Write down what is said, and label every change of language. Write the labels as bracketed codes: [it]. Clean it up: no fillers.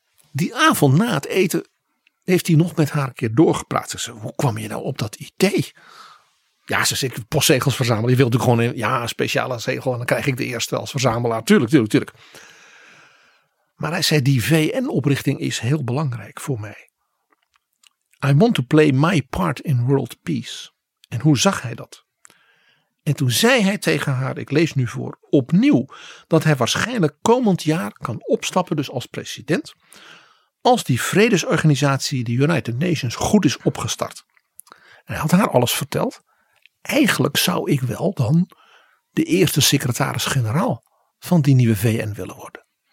[nl] Die avond na het eten heeft hij nog met haar een keer doorgepraat. Ze zei, hoe kwam je nou op dat idee? Ja, ze zei, ik wil postzegels verzamelen. Je wilt natuurlijk gewoon een speciale zegel en dan krijg ik de eerste als verzamelaar. Tuurlijk. Maar hij zei, die VN-oprichting is heel belangrijk voor mij. [en] I want to play my part in world peace. [nl] En hoe zag hij dat? En toen zei hij tegen haar, ik lees nu voor, opnieuw, dat hij waarschijnlijk komend jaar kan opstappen, dus als president, als die vredesorganisatie, de United Nations, goed is opgestart. En hij had haar alles verteld. Eigenlijk zou ik wel dan de eerste secretaris-generaal van die nieuwe VN willen worden.